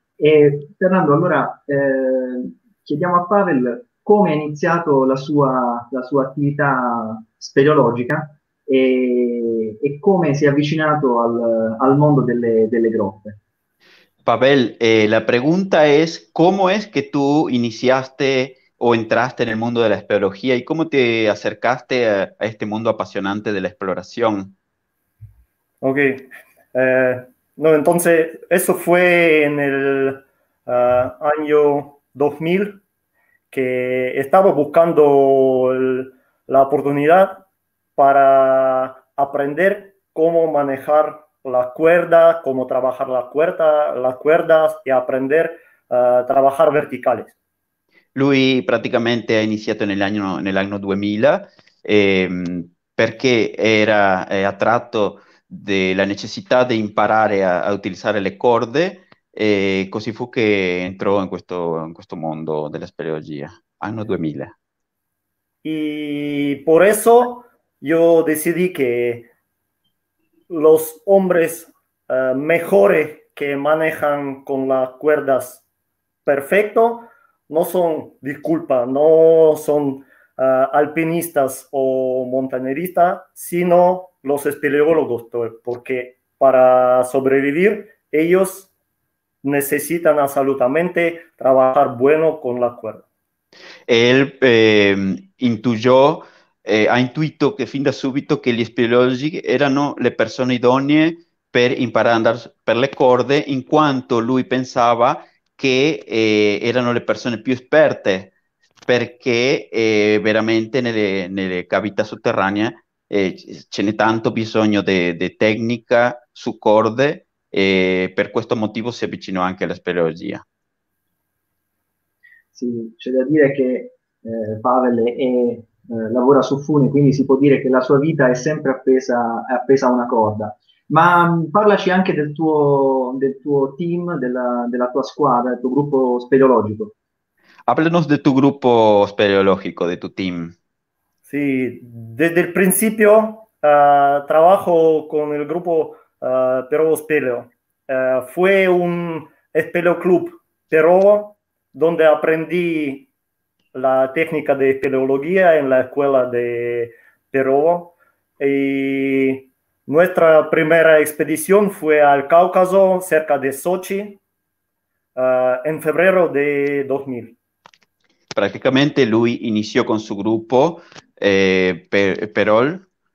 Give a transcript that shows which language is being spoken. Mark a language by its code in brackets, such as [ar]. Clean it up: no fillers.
[it] E Fernando, allora chiediamo a Pavel come ha iniziato la sua attività speleologica e come si è avvicinato al mondo delle grotte. [es] Pavel, la pregunta es, ¿cómo es que tú iniciaste o entraste en el mundo de la espeleología y cómo te acercaste a este mundo apasionante de la exploración? Ok. No, entonces, eso fue en el año 2000 que estaba buscando la oportunidad para aprender cómo manejar la cuerda, cómo trabajar las cuerdas y aprender a trabajar verticales. [it] Lui praticamente ha iniziato nell'anno 2000, perché era attratto dalla necessità di imparare a utilizzare le corde, e così fu che entrò in questo mondo della speleologia. Anno 2000. [es] Y por eso yo decidí que los hombres mejores que manejan con las cuerdas perfecto no son, disculpa, no son alpinistas o montañeristas, sino los espeleólogos, porque para sobrevivir ellos necesitan absolutamente trabajar bueno con las cuerdas. Él intuyó, [it] ha intuito che fin da subito che gli speleologi erano le persone idonee per imparare ad andare per le corde, in quanto lui pensava che erano le persone più esperte, perché veramente nelle cavità sotterranee ce n'è tanto bisogno di tecnica su corde e per questo motivo si avvicinò anche alla speleologia. Sì, c'è da dire che Pavel lavora su funi, quindi si può dire che la sua vita è sempre appesa a una corda. Ma parlaci anche del tuo team, della tua squadra, del tuo gruppo speleologico. [es] Háblanos de tu grupo speleológico, de tu team. Sí, desde el principio trabajo con el grupo Perú Espeleo. Fue un espeleo club Perú donde aprendí la técnica de espeleología en la escuela de Perú. Y nuestra primera expedición fue al Cáucaso, cerca de Sochi, en febrero de 2000. [it] Praticamente lui iniziò con suo gruppo, Perol,